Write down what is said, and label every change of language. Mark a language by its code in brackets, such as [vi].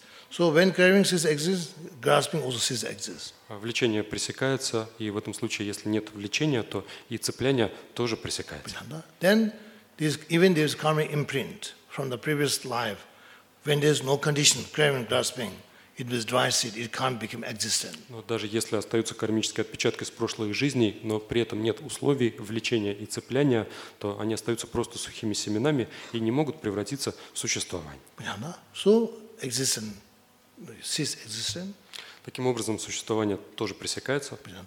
[en] So when craving ceases exists, grasping also ceases exists. [ru] Влечение пресекается, и в этом случае, если нет влечения, то и цепляние тоже пресекается. Понятно? [en] Then even this karma imprint from the previous life, when there is no condition, craving, grasping, it is dry seed, it can't become existent. [ru] Но даже если остаются кармические отпечатки с прошлых жизней, но при этом нет условий влечения и цепляния, то они остаются просто сухими семенами и не могут превратиться в существование. Понятно? [en] So existent. Cease existence. [ru] Таким образом, существование тоже пресекается.